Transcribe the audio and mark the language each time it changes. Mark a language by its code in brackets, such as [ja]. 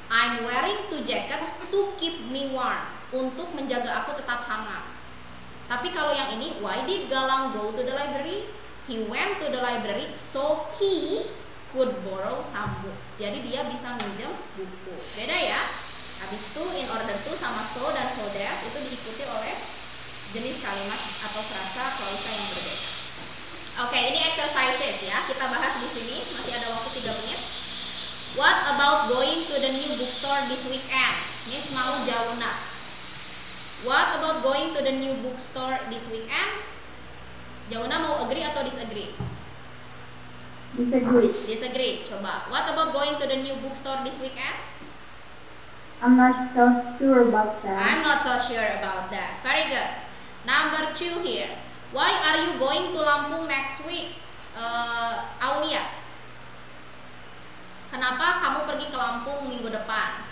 [en] I'm wearing two jackets to keep me warm. [id] Untuk menjaga aku tetap hangat. Tapi kalau yang ini, [en] why did Galang go to the library? He went to the library so he could borrow some books. [id] Jadi dia bisa minjem buku. Beda ya? Habis to, in order to, sama so dan so that itu diikuti oleh jenis kalimat atau frasa klausa yang berbeda. Oke, ini exercises ya. Kita bahas di sini, masih ada waktu 3 menit. [en] What about going to the new bookstore this weekend? [id] Miss mau jauna. [en] What about going to the new bookstore this weekend? [id] Jauna mau agree atau disagree? [en] Disagree. Disagree. [id] Coba. [en] What about going to the new bookstore this weekend? I'm not so sure about that. I'm not so sure about that. Very good. Number 2 here. Why are you going to Lampung next week? Aulia. [id] Kenapa kamu pergi ke Lampung minggu depan?